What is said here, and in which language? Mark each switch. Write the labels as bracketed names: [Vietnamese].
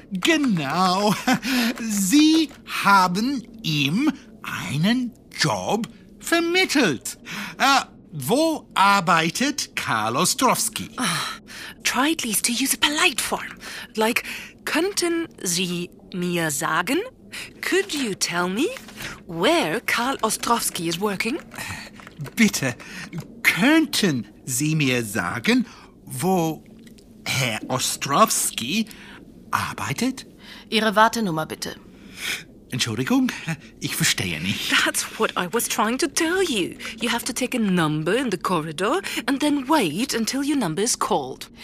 [German] Genau. Sie haben ihm einen Job vermittelt. Wo arbeitet Karl Ostrowski? [English] Try at least to use a polite form. Like, [German] könnten Sie mir sagen? [English] Could you tell me where Karl Ostrowski is working? [German] Bitte, könnten Sie mir sagen, wo Herr Ostrowski arbeitet? Ihre Wartenummer bitte. Entschuldigung, ich verstehe nicht. [English] That's what I was trying to tell you. You have to take a number in the corridor and then wait until your number is called.